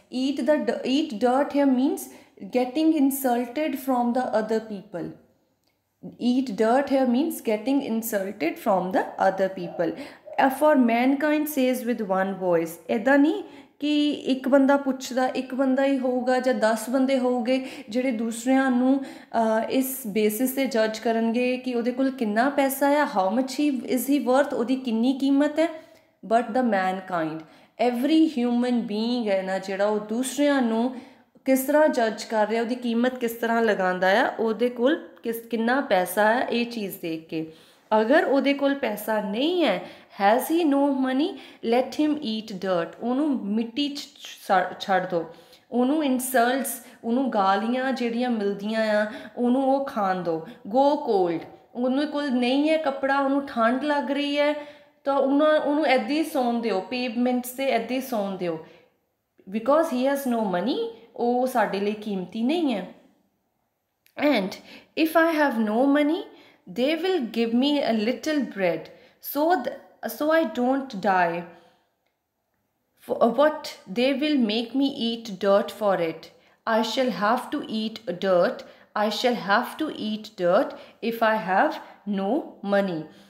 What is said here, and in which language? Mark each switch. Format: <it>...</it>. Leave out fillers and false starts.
<en>Eat dirt here means getting insulted from the other people. Eat dirt here means getting insulted from the other people. For mankind says with one voice,</en> <pa>edani ਕਿ ਇੱਕ ਬੰਦਾ ਪੁੱਛਦਾ, ਇੱਕ ਬੰਦਾ ਹੀ ਹੋਊਗਾ ਜਾਂ 10 ਬੰਦੇ ਹੋਊਗੇ ਜਿਹੜੇ ਦੂਸਰਿਆਂ ਨੂੰ ਇਸ ਬੇਸਿਸ 'ਤੇ ਜੱਜ ਕਰਨਗੇ ਕਿ ਉਹਦੇ ਕੋਲ ਕਿੰਨਾ ਪੈਸਾ ਆ,</pa> <en>how much he is he worth,</en> <pa>ਉਹਦੀ ਕਿੰਨੀ ਕੀਮਤ ਹੈ।</pa> <en>but the mankind, every human being</en> <pa>ਹੈ ਨਾ ਜਿਹੜਾ, ਉਹ ਦੂਸਰਿਆਂ ਨੂੰ ਕਿਸ ਤਰ੍ਹਾਂ ਜੱਜ ਕਰ ਰਿਹਾ, ਉਹਦੀ ਕੀਮਤ ਕਿਸ ਤਰ੍ਹਾਂ ਲਗਾਉਂਦਾ ਆ, ਉਹਦੇ ਕੋਲ ਕਿੰਨਾ ਪੈਸਾ ਆ ਇਹ ਚੀਜ਼ ਦੇਖ ਕੇ। ਅਗਰ ਉਹਦੇ ਕੋਲ ਪੈਸਾ ਨਹੀਂ ਹੈ,</pa> <en>has he no money, let him eat dirt,</en> <pa>ਉਹਨੂੰ ਮਿੱਟੀ 'ਚ ਛੱਡ ਦਿਉ, ਉਹਨੂੰ ਇਨਸਲਟਸ, ਉਹਨੂੰ ਗਾਲੀਆਂ ਜਿਹੜੀਆਂ ਮਿਲਦੀਆਂ ਆ ਉਹਨੂੰ ਉਹ ਖਾਣ ਦਿਉ।</pa> <en>go cold,</en> <pa>ਉਹਨੂੰ ਕੋਲ ਨਹੀਂ ਹੈ ਕੱਪੜਾ, ਉਹਨੂੰ ਠੰਡ ਲੱਗ ਰਹੀ ਹੈ, ਤਾਂ ਉਹਨੂੰ ਇੱਦਾਂ ਹੀ ਸੌਣ ਦਿਓ, ਪੇਵਮੈਂਟਸ 'ਤੇ ਇੱਦਾਂ ਹੀ ਸੌਣ ਦਿਓ,</pa> <en>because he has no money,</en> <pa>ਉਹ ਸਾਡੇ ਲਈ ਕੀਮਤੀ ਨਹੀਂ ਹੈ।</pa> <en>And if I have no money, They will give me a little bread, so I don't die. For what they will make me eat dirt for it. I shall have to eat dirt. I shall have to eat dirt if I have no money.</en>